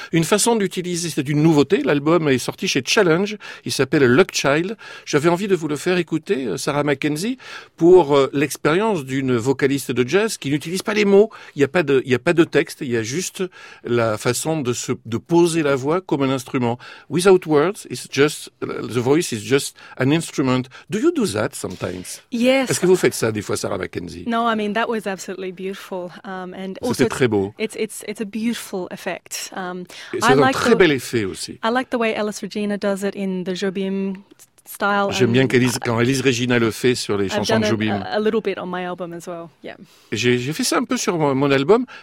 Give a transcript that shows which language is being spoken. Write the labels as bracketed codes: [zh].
[fr] Une façon d'utiliser, c'est une nouveauté, l'album est sorti chez Challenge, il s'appelle Luck Child. J'avais envie de vous le faire écouter, Sarah McKenzie, pour l'expérience d'une vocaliste de jazz qui n'utilise pas les mots. Il n'y a pas de texte, il y a juste la façon de poser la voix comme un instrument. [en] Without words, it's just the voice is just an instrument. Do you do that sometimes? Yes. [fr] Est-ce que vous faites ça des fois, Sarah McKenzie? [en] No, I mean that was absolutely beautiful. [fr] C'était très beau. [en] It's a beautiful effect. [fr] Bel effet aussi. [en] I like the way Alice Regina does it in the Jobim style. [fr] J'aime bien qu'Elise, quand Elise Regina le fait sur les chansons de Jobim. [en] A little bit on my album as well. Yeah. [fr] J'ai fait ça un peu sur mon album.